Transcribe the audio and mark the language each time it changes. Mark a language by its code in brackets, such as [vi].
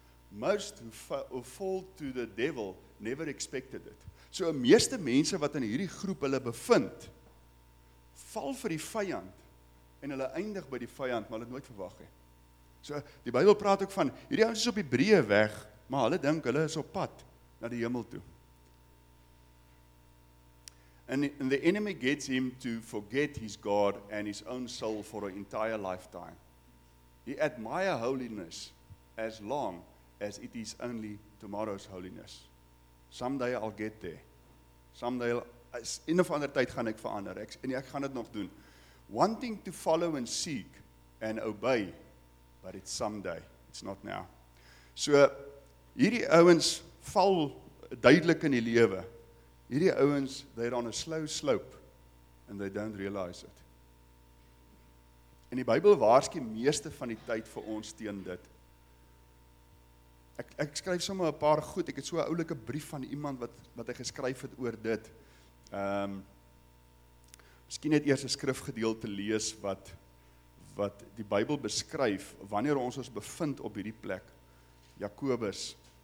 [en] Most who fall to the devil never expected it. [af] So, die meeste mense wat in hierdie groep hulle bevind, val vir die vyand en hulle eindig by die vyand, maar hulle het nooit verwag nie. So, die Bybel praat ook van, hierdie ouens is op die breë weg, maar hulle dink hulle is op pad na die hemel toe. [en] And the enemy gets him to forget his God and his own soul for an entire lifetime. He admire holiness as long as it is only tomorrow's holiness. Someday I'll get there. Someday, [af] een of ander tyd gaan ek verander, ek gaan dit nog doen. [en] Wanting to follow and seek and obey, but it's someday, it's not now. [af] So, hierdie ouens val duidelik in die lewe. Hierdie ouens, [en] they're on a slow slope, and they don't realize it. [af] En die Bybel waarsku meeste van die tyd vir ons teen dit. Ek skryf sommer 'n paar goed, ek het so 'n oulike brief van iemand wat hy geskryf het oor dit. Miskien net eers 'n skrifgedeelte lees wat die Bybel beskryf, wanneer ons bevind op hierdie plek. Jakobus.